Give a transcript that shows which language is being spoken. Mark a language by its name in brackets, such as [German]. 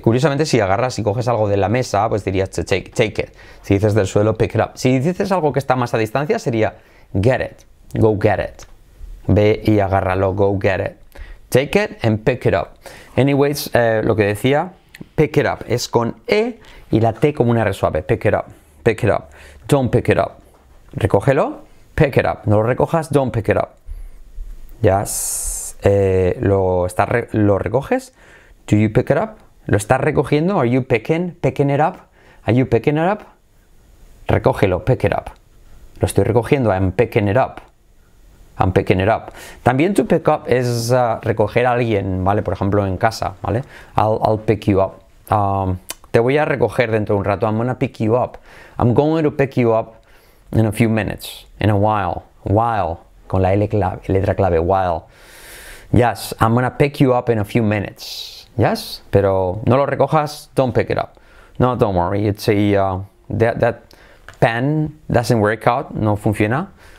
[Spanish] Curiosamente, si agarras y coges algo de la mesa, pues dirías [English] to take it. [Spanish] Si dices del suelo, [English] pick it up. [Spanish] Si dices algo que está más a distancia, sería [English] get it, go get it. [Spanish] Ve y agárralo, [English] go get it. Take it and pick it up. [Spanish] Anyways, lo que decía, [English] pick it up [Spanish] es con E y la T como una R suave. [English] Pick it up, pick it up, don't pick it up. [Spanish] Recógelo, [English] pick it up. [Spanish] No lo recojas, [English] don't pick it up. Yes, [Spanish] lo recoges. [English] Do you pick it up? [Spanish] ¿Lo estás recogiendo? [English] Are you picking it up? Are you picking it up? [Spanish] Recógelo, [English] pick it up. [Spanish] Lo estoy recogiendo, [English] I'm picking it up. I'm picking it up. [Spanish] También [English] to pick up [Spanish] es recoger a alguien, ¿vale? Por ejemplo, en casa, ¿vale? [English] I'll pick you up. [Spanish] Te voy a recoger dentro de un rato. [English] I'm gonna pick you up. I'm going to pick you up in a few minutes. In a while. While. [Spanish] Con la letra clave, [English] while. Yes, I'm gonna pick you up in a few minutes. Yes, [Spanish] pero no lo recojas, [English] don't pick it up. No, don't worry, it's a, that pen doesn't work out, [Spanish] no funciona.